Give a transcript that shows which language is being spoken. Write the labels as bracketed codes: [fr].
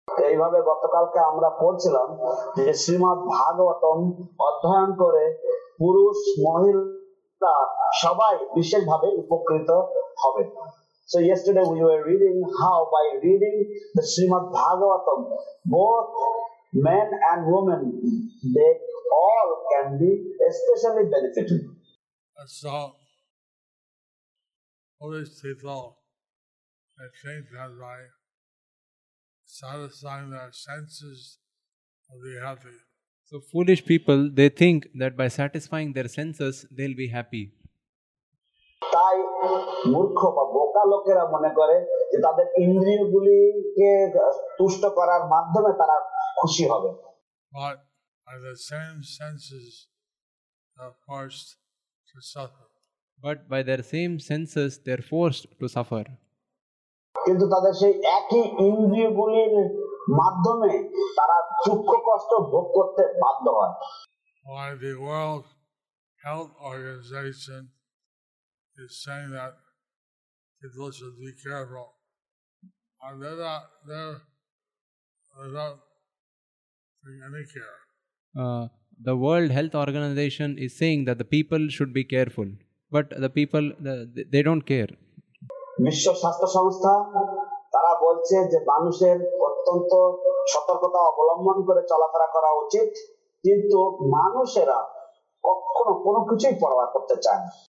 [bn] এইভাবে গতকালকে আমরা পড়ছিলাম যে শ্রীমদ ভাগবতম অধ্যয়ন করে পুরুষ মহিলা সবাই বিশেষভাবে উপকৃত হবে. [en] So yesterday we were reading how by reading the Srimad Bhagavatam, both men and women, they all can be especially benefited. So, all these people, they think that by satisfying their senses, they'll be happy. So foolish people, they think that by satisfying their senses, they'll be happy. [bn] তাই মূর্খ বা বোকা লোকেরা মনে করে যে তাদের ইন্দ্রিয়গুলিকে তুষ্ট করার মাধ্যমে তারা খুশি হবে. [en] But by the same senses, they're forced to suffer. But by their same senses, they're forced to suffer. [bn] কিন্তু তাদের সেই একই ইন্দ্রিয়গুলির মাধ্যমে তারা দুঃখ কষ্ট ভোগ করতে বাধ্য হয়. [en] Why the World Health Organization is saying that people should be careful. And they're not taking any care. The World Health Organization is saying that the people should be careful. But the people, they don't care. [bn] বিশ্ব স্বাস্থ্য সংস্থা তারা বলছে যে মানুষের অত্যন্ত সতর্কতা অবলম্বন করে চলাফেরা করা উচিত, কিন্তু মানুষেরা কখনো কোনো কিছুই পরোয়া করতে চায় না.